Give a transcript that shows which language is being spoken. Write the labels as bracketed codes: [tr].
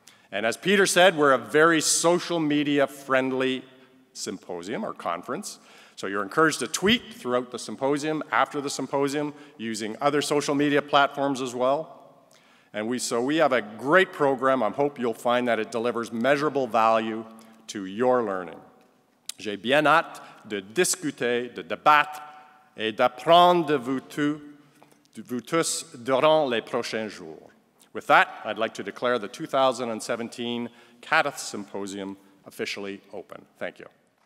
[en] And as Peter said, we're a very social media friendly symposium or conference. So you're encouraged to tweet throughout the symposium, after the symposium, using other social media platforms as well. And we have a great program. I hope you'll find that it delivers measurable value to your learning. [fr] J'ai bien hâte de discuter, de débattre et d'apprendre de vous tous durant les prochains jours. [en] With that, I'd like to declare the 2017 CADTH Symposium officially open. Thank you.